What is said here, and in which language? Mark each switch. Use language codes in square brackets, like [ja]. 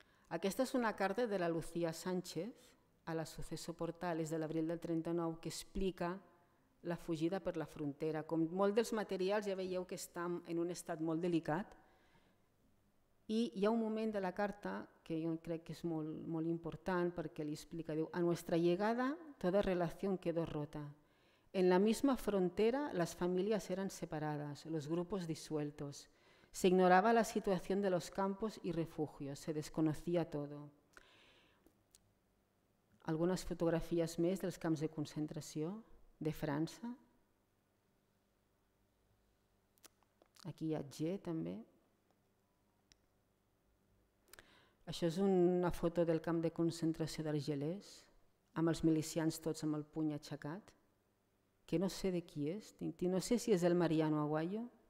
[ca] Aquesta és una carta de la Lucía Sánchez a la Suceso Portal, és de l'abril del 39, que explica la fugida per la frontera. Com molt dels materials ja veieu que estan en un estat molt delicat i hi ha un moment de la carta que jo crec que és molt, molt important perquè li explica, diu, [es] a nuestra llegada toda relación quedó rota. En la misma frontera las familias eran separadas, los grupos disueltos. Se ignoraba la situación de los campos y refugios, se desconocía todo. [ca] Algunes fotografies més dels camps de concentració de França. Aquí hi ha G també. Això és una foto del camp de concentració d'Argelers, amb els milicians tots amb el puny aixecat, que no sé de qui és, no sé si és el Mariano Aguayo.